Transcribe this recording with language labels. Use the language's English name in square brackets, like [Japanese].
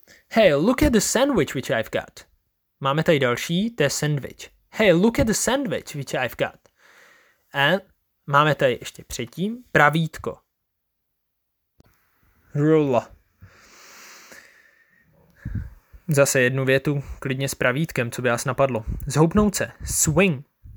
[English] Hey, look at the sandwich which I've got. [Czech] Máme tady další, to je sandwich. [English] Hey, look at the sandwich which I've got. [Czech] And máme tady ještě předtím pravítko. [English] Rula. [Czech] Zase jednu větu, klidně s pravítkem, co by vás napadlo. Zhoupnout se. Swing.